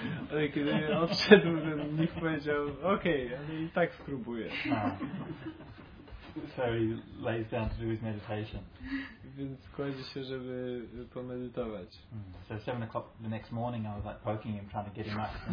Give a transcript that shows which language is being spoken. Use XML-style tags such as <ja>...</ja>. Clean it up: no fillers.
<pl>Ale kiedy odszedł, ten mnich powiedział, "Okej, ale i tak spróbuję."</pl> <en>So he lays down to do his meditation.</en> <pl>Więc kładzie się, żeby pomedytować.</pl> <en>So 7 o'clock the next morning, I was like poking him, trying to get him up.</en>